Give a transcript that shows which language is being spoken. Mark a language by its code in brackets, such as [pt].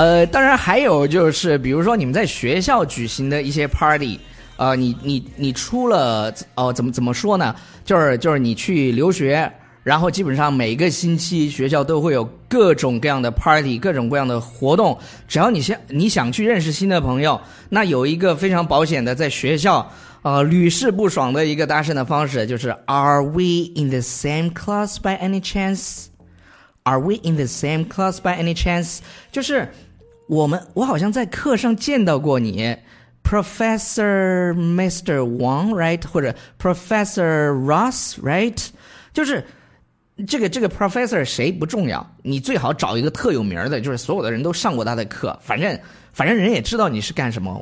[zh] 当然还有就是比如说你们在学校举行的一些 party, 你出了怎么说呢，就是你去留学，然后基本上每个星期学校都会有各种各样的 party, 各种各样的活动，只要你想去认识新的朋友，那有一个非常保险的在学校屡试不爽的一个搭讪的方式，就是 [en] Are we in the same class by any chance? Are we in the same class by any chance? [zh] 就是我好像在课上见到过你 Professor Mr. [en] Wang, right? [zh] 或者 [en] Professor Ross, right? [zh] 就是这个 Professor 谁不重要，你最好找一个特有名的，就是所有的人都上过他的课，反正人也知道你是干什么。